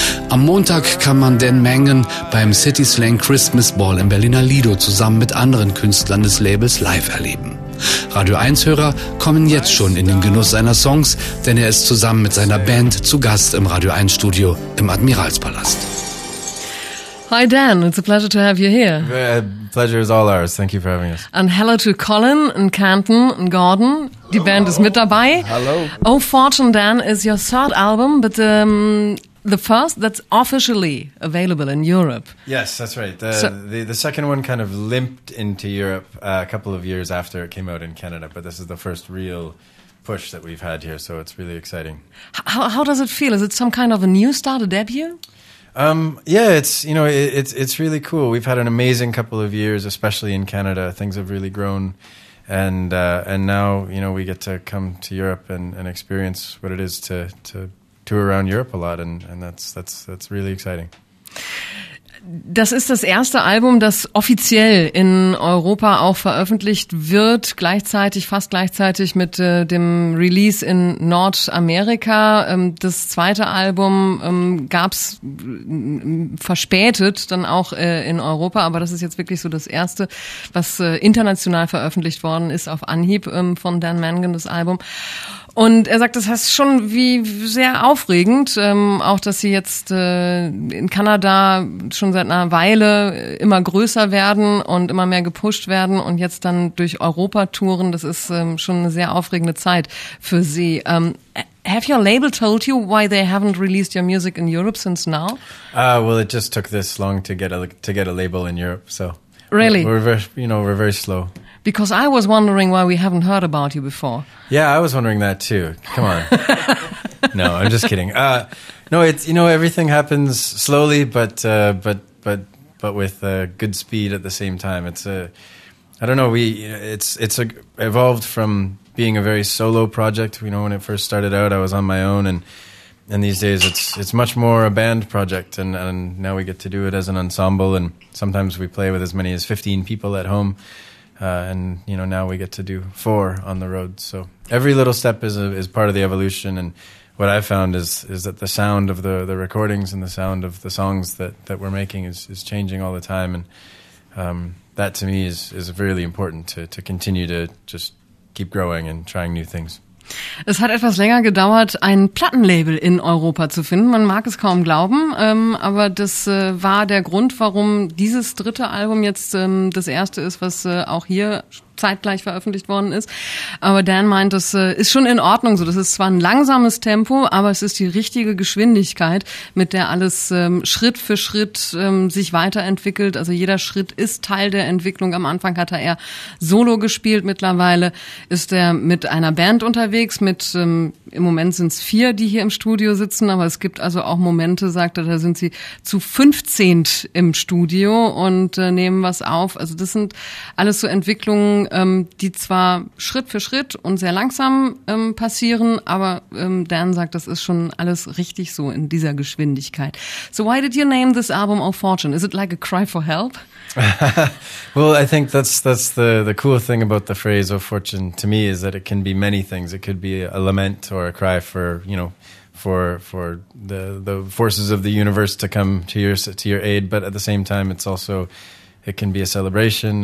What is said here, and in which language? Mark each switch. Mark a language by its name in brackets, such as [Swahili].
[German] Am Montag kann man Dan Mangan beim City Slang Christmas Ball im Berliner Lido zusammen mit anderen Künstlern des Labels live erleben. Radio 1-Hörer kommen jetzt schon in den Genuss seiner Songs, denn er ist zusammen mit seiner Band zu Gast im Radio 1-Studio im Admiralspalast. [English] Hi Dan, it's a pleasure to have you here. Pleasure is all ours, thank you for having us. And hello to Colin and Canton and Gordon. Die hello. [German] Band ist mit dabei. [English] Hello. Oh Fortune, Dan, is your third album, but the first that's officially available in Europe. Yes, that's right. The second one kind of limped into Europe a couple of years after it came out in Canada, but this is the first real push that we've had here, so it's really exciting. How does it feel? Is it some kind of a new start, a debut? It's really cool. We've had an amazing couple of years, especially in Canada. Things have really grown. And now, you know, we get to come to Europe and experience what it is to tour around Europe a lot, and that's really exciting. [German] Das ist das erste Album, das offiziell in Europa auch veröffentlicht wird, fast gleichzeitig mit dem Release in Nordamerika. Das zweite Album gab's verspätet dann auch in Europa, aber das ist jetzt wirklich so das erste, was international veröffentlicht worden ist auf Anhieb von Dan Mangan, das Album. Und er sagt, das heißt schon wie sehr aufregend, auch dass sie jetzt in Kanada schon seit einer Weile immer größer werden und immer mehr gepusht werden und jetzt dann durch Europa touren. Das ist schon eine sehr aufregende Zeit für sie. [English] Have your label told you why they haven't released your music in Europe since now? Well, it just took this long to get a label in Europe. So really, we're very slow. Because I was wondering why we haven't heard about you before. Yeah, I was wondering that too. Come on. No, I'm just kidding. No, it's, you know, everything happens slowly, but with good speed at the same time. It's evolved from being a very solo project. You know, when it first started out, I was on my own, and these days it's much more a band project, and now we get to do it as an ensemble, and sometimes we play with as many as 15 people at home. And you know, now we get to do 4 on the road. So every little step is part of the evolution. And what I found is that the sound of the recordings and the sound of the songs that we're making is changing all the time. And that to me is really important to continue to just keep growing and trying new things. [German] Es hat etwas länger gedauert, ein Plattenlabel in Europa zu finden. Man mag es kaum glauben, aber das war der Grund, warum dieses dritte Album jetzt das erste ist, was auch hier zeitgleich veröffentlicht worden ist. Aber Dan meint, das ist schon in Ordnung so. Das ist zwar ein langsames Tempo, aber es ist die richtige Geschwindigkeit, mit der alles Schritt für Schritt sich weiterentwickelt. Also jeder Schritt ist Teil der Entwicklung. Am Anfang hat er eher solo gespielt. Mittlerweile ist er mit einer Band unterwegs. Im Moment sind es 4, die hier im Studio sitzen. Aber es gibt also auch Momente, sagt er, da sind sie zu 15 im Studio und nehmen was auf. Also das sind alles so Entwicklungen, die zwar Schritt für Schritt und sehr langsam passieren, aber Dan sagt, das ist schon alles richtig so in dieser Geschwindigkeit. [English] So why did you name this album Oh Fortune? Is it like a cry for help? Well, I think that's the cool thing about the phrase Oh Fortune to me is that it can be many things. It could be a lament or a cry for, you know, for the forces of the universe to come to your aid, but at the same time it's also, it can be a celebration.